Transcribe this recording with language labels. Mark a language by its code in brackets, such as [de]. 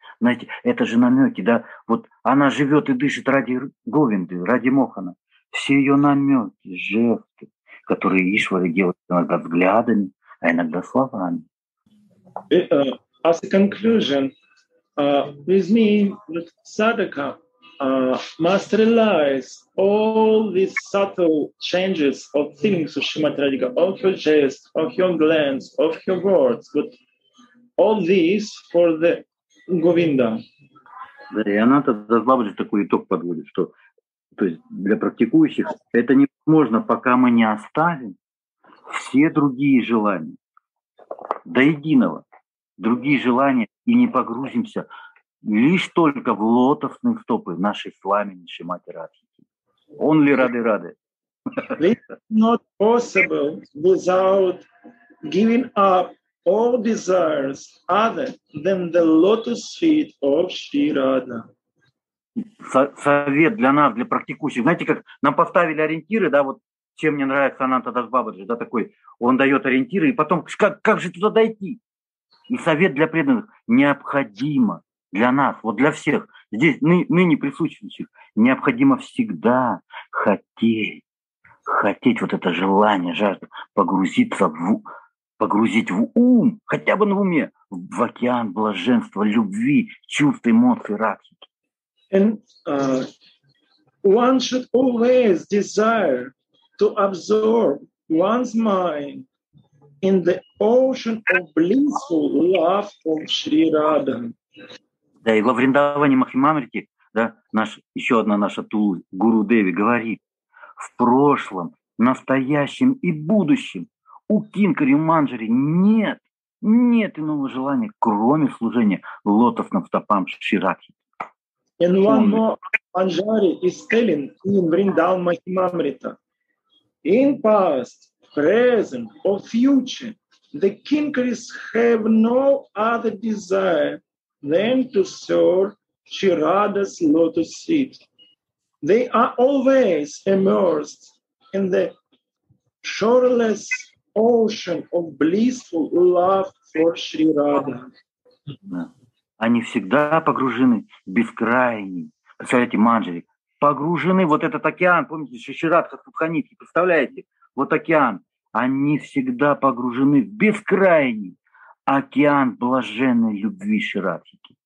[ru] Знаете, это же намеки, да? Вот она живет и дышит ради Говинды, ради Мохана. Все ее намеки, жесты, которые Ишвара делает иногда взглядами, а иногда словами. [en] As a conclusion, with me, that sadhaka must realize all these subtle changes of feelings of Shrimati Radhika, of your gestures, of your glance, of your words, but all these for the Говинда. [ru] Да, и она тогда Бабаджи такой итог подводит, что то есть для практикующих это невозможно, пока мы не оставим все другие желания до единого, другие желания, и не погрузимся лишь только в лотосные стопы нашей сламеннейшей Мати Радхи. [en] Only Рады-Рады. It's not possible without giving up all desires other than the lotus feet of Shri Radha. [ru] Совет для нас, для практикующих. Знаете, как нам поставили ориентиры, да, вот чем мне нравится Ананта Дас Бабаджи, да, такой, он дает ориентиры, и потом, как же туда дойти? И совет для преданных необходимо для нас, вот для всех, здесь ныне присутствующих, необходимо всегда хотеть вот это желание, жажда погрузить в ум, хотя бы на уме, в океан блаженства, любви, чувств, эмоций, радости. [en] And one should always desire to absorb one's mind in the ocean of blissful love of Shri Radha. [ru] Да, и во Вриндаване Махимамрите, да, еще одна наша тула, Гуру Деви, говорит: в прошлом, настоящем и будущем у кинкари, у манджари нет иного желания, кроме служения лотосным стопам Шри Радхи. [en] And one more Manjari is telling in Vrindavan Mahimamrita. In past, present or future, the kinkaris have no other desire than to serve Shri Radha's lotus feet. They are always immersed in the shoreless ocean of blissful love for Shri Radha. [ru] Они всегда погружены в бескрайний. Представляете, манджари. Погружены вот этот океан. Помните, Шишрадха Субханитхи. Представляете? Вот океан. Они всегда погружены в бескрайний океан блаженной любви Шишрадхи.